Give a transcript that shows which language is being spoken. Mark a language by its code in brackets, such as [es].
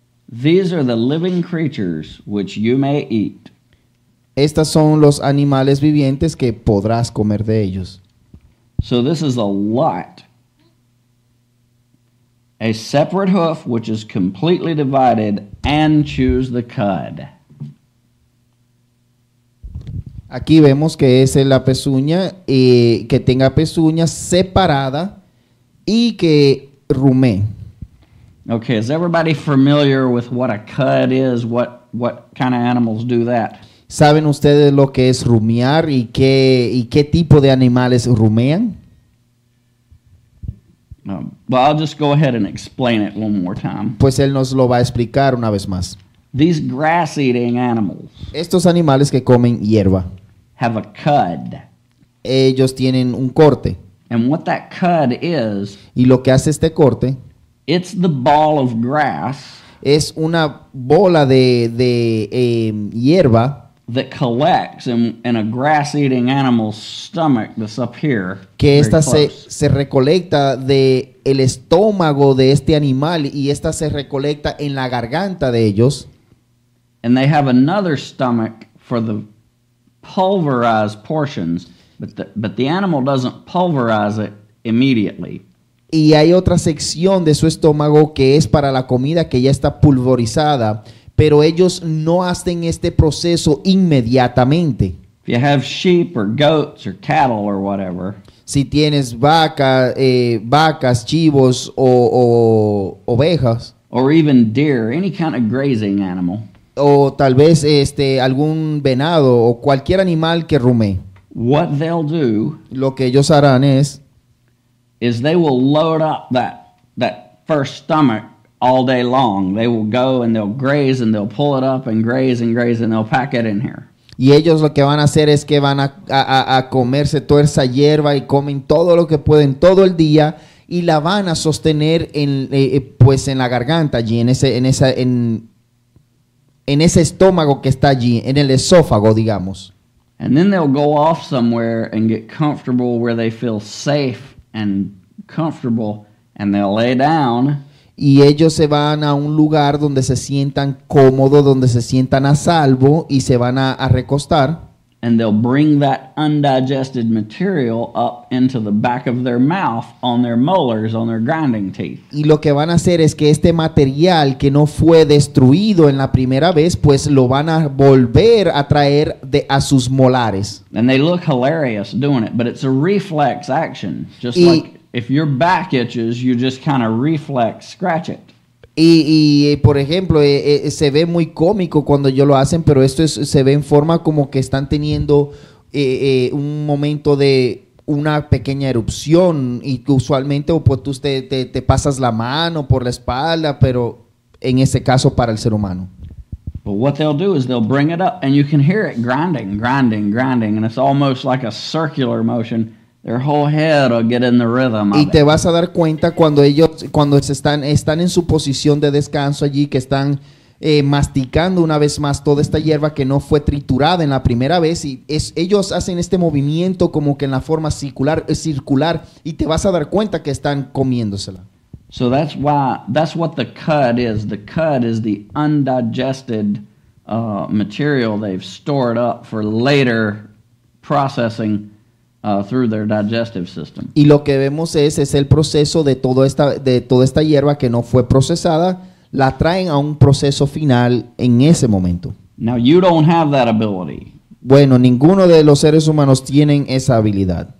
[en] These are the living creatures which you may eat. [es] Estas son los animales vivientes que podrás comer de ellos. [en] So this is a lot. A separate hoof which is completely divided and choose the cud. [es] Aquí vemos que es la pezuña que tenga pezuña separada y que rumé. [en] Okay, is everybody familiar with what a cud is? What kind of animals do that? [es] ¿Saben ustedes lo que es rumiar y qué tipo de animales rumean? [en] Well, I'll just go ahead and explain it one more time. [es] Pues él nos lo va a explicar una vez más. [en] These grass-eating animals. [es] Estos animales que comen hierba. [en] Have a cud. [es] Ellos tienen un corte. [en] And what that cud is. [es] Y lo que hace este corte. [en] It's the ball of grass. [es] es una bola de hierba [en] that collects in a grass-eating animal's stomach that's up here. [es] Que esta se recolecta de el estómago de este animal y esta se recolecta en la garganta de ellos. [en] And they have another stomach for the pulverized portions, but the animal doesn't pulverize it immediately. [es] Y hay otra sección de su estómago que es para la comida que ya está pulverizada, pero ellos no hacen este proceso inmediatamente. [en] If you have sheep or goats or cattle or whatever, [es] si tienes vacas, chivos o ovejas, [en] or even deer, any kind of grazing animal, [es] o tal vez algún venado o cualquier animal que rume. [en] What they'll do, [es] lo que ellos harán es, [en] is they will load up that first stomach all day long. They will go and they'll graze and they'll pull it up and graze and graze and they'll pack it in here. [es] Y ellos lo que van a hacer es que van a comerse toda esa hierba y comen todo lo que pueden todo el día y la van a sostener en la garganta allí en ese estómago que está allí en el esófago, digamos. [en] And then they'll go off somewhere and get comfortable where they feel safe and comfortable, and they'll lay down. [es] Y ellos se van a un lugar donde se sientan cómodo, donde se sientan a salvo, y se van a recostar. [en] And they'll bring that undigested material up into the back of their mouth on their molars, on their grinding teeth. [es] Y lo que van a hacer es que este material que no fue destruido en la primera vez, pues lo van a volver a traer a sus molares. [en] And they look hilarious doing it, but it's a reflex action. Just like if your back itches, you just kind of reflex scratch it. [es] Y por ejemplo, se ve muy cómico cuando ellos lo hacen, pero esto se ve en forma como que están teniendo un momento de una pequeña erupción y usualmente tú te pasas la mano por la espalda, pero en ese caso para el ser humano. [en] But what they'll do is they'll bring it up and you can hear it grinding, grinding, grinding, and it's almost like a circular motion. Their whole head will get in the rhythm. [es] Y te vas a dar cuenta cuando están en su posición de descanso allí, que están masticando una vez más toda esta hierba que no fue triturada en la primera vez, y ellos hacen este movimiento como que en la forma circular, y te vas a dar cuenta que están comiéndosela. [en] So that's what the cud is. The cud is the undigested material they've stored up for later processing. Through their digestive system. [es] Y lo que vemos es el proceso de toda esta hierba que no fue procesada, la traen a un proceso final en ese momento. [en] Now you don't have that ability. [es] Bueno, ninguno de los seres humanos tienen esa habilidad.